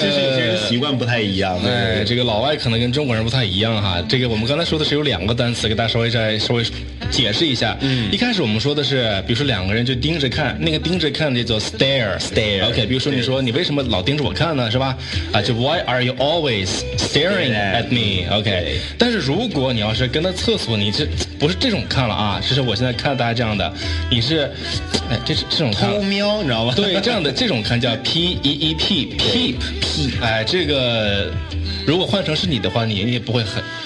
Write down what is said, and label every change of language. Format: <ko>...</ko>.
<zh>就是有些人习惯不太一样。这个老外可能跟中国人不太一样哈。这个我们刚才说的是有两个单词，给大家稍微解释一下。一开始我们说的是，比如说两个人就盯着看，那个盯着看叫 stare。 OK， 比如说你说你为什么老盯着我看呢，是吧？</zh> <en>啊，就 Why are you always staring at me？</en> <zh>OK， 但是如果你要是跟他厕所，你这不是这种看了啊，这是我现在看大家这样的，你是，这种看偷瞄，你知道吗？对，这样的这种看叫 peep， 哎，这个如果换成是你的话，你也不会很。</zh>